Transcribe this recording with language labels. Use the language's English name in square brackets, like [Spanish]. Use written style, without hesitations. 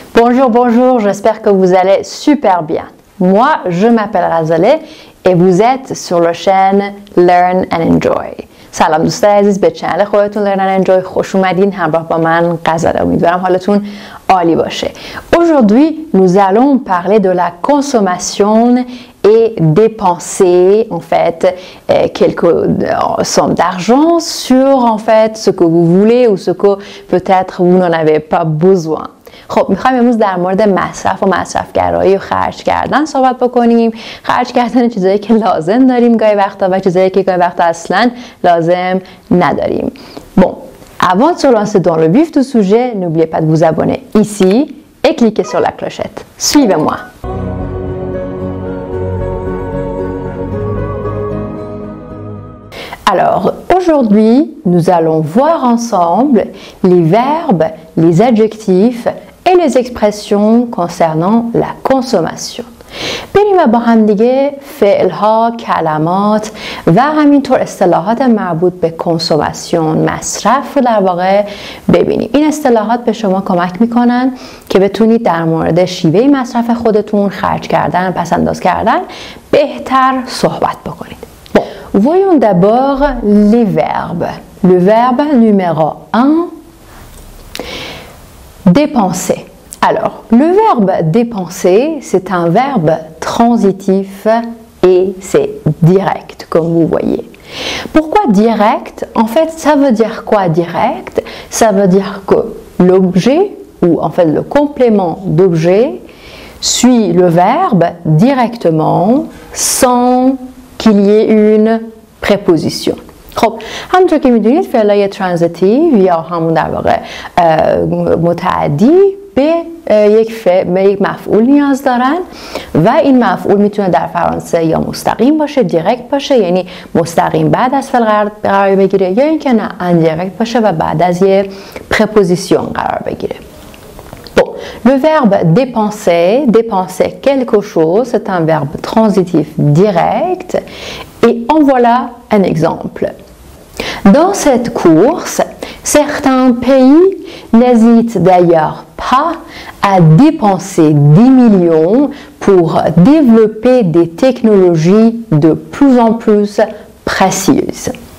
[French] Bonjour, bonjour, j'espère que vous allez super bien. Moi, je m'appelle Razaleh et vous êtes sur la chaîne Learn and Enjoy. [Persian] Salam دوستای عزیز به چنل خودتون Learn and Enjoy خوش اومدین همراه با من غزاله امیدوارم حالتون عالی باشه. [French] Aujourd'hui, nous allons parler de la consommation et dépenser en fait quelques sommes d'argent sur en fait ce que vous voulez ou ce que peut-être vous n'en avez pas besoin. [Persian] خب میخوایم امروز در مورد مصرف و مصرفگرایی و خرج کردن صحبت بکنیم. خرج کردن چیزایی که لازم داریم گاهی وقتا و چیزایی که گاهی وقتا اصلا لازم نداریم. [French] Bon, avant de se lancer dans le vif du sujet, n'oubliez pas de vous abonner ici et cliquez sur la clochette. Suivez-moi. Alors, aujourd'hui, nous allons voir ensemble les verbes, les adjectifs et les expressions concernant la consommation. [Persian] بریم با هم دیگه فعل‌ها، کلمات و همینطور اصطلاحات مربوط به کنسومسیون، مصرف رو در واقع ببینیم. این اصطلاحات به شما کمک می‌کنن که بتونید در مورد شیوه مصرف خودتون، خرج کردن، پس انداز کردن بهتر صحبت بکنید. [French] Voyons d'abord les verbes. Le verbe numéro 1, dépenser. Alors, le verbe dépenser, c'est un verbe transitif et c'est direct, comme vous voyez. Pourquoi direct? En fait, ça veut dire quoi direct? Ça veut dire que l'objet, ou en fait le complément d'objet, suit le verbe directement, sans qu'il y ait une préposition. [Persian] خب همونطور که میدونید فعلای ترانزیتیو یا همون در واقع متعدی به یک مفعول نیاز دارن و این مفعول میتونه در فرانسه یا مستقیم باشه، دایرکت باشه، یعنی مستقیم بعد از فعل قرار بگیره، یا اینکه نه اندایرکت باشه و بعد از یه پرپوزیسیون قرار بگیره. [French] Le verbe dépenser, dépenser quelque chose, c'est un verbe transitif direct. Et en voilà un exemple. Dans cette course, certains pays n'hésitent d'ailleurs pas à dépenser 10 millions pour développer des technologies de plus en plus précieuses.